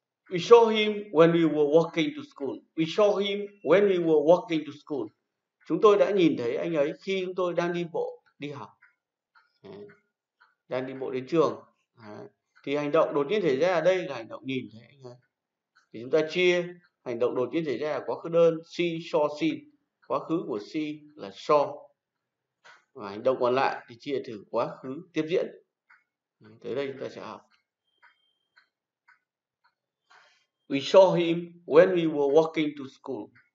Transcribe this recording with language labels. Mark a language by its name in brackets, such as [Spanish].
[English] We saw him when we were walking to school. We saw him when we were walking to school. [Vietnamese] Chúng tôi đã nhìn thấy anh ấy khi chúng tôi đang đi bộ đi học. Đang đi bộ đến trường. Thì hành động đột nhiên xảy ra ở đây là hành động nhìn thấy anh ấy. Thì chúng ta chia hành động đột nhiên xảy ra là quá khứ đơn [English] see, saw, seen. [Vietnamese] Quá khứ của see là saw. Và hành động còn lại thì chia thử quá khứ tiếp diễn. Tới đây chúng ta sẽ học. [English] We saw him when we were walking to school.